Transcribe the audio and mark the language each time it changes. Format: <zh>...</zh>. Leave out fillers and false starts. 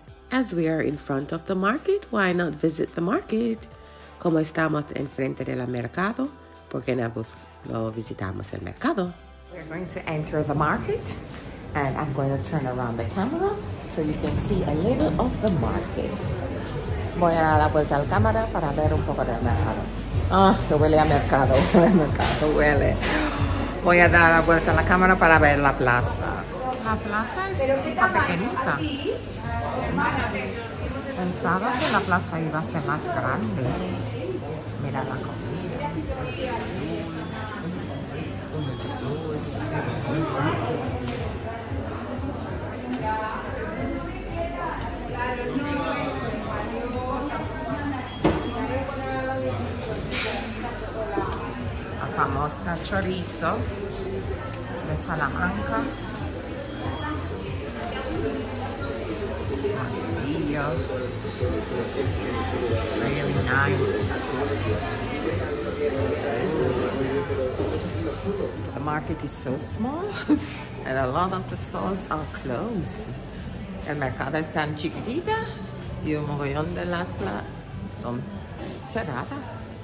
<en>As we are in front of the market, why not visit the market?</en> <es>Como estamos en frente del mercado, ¿por qué no buscamos? Lo visitamos el mercado.</es> <en>We're going to enter the market and I'm going to turn around the camera so you can see a little of the market.</en> <es>Voy a dar la vuelta a la cámara para ver un poco del mercado. Ah, se huele a mercado. El mercado huele. Voy a dar la vuelta a la cámara para ver la plaza. La plaza es súper pequeñita. Pensaba que la plaza iba a ser más grande. Mira la comida. La famosa chorizo de Salamanca. Maravillo.</es> <en>Really nice. The market is so small and a lot of the stalls are closed.</en> <es>El mercado es tan chiquitita y un mogollón de las plazas son cerradas.</es>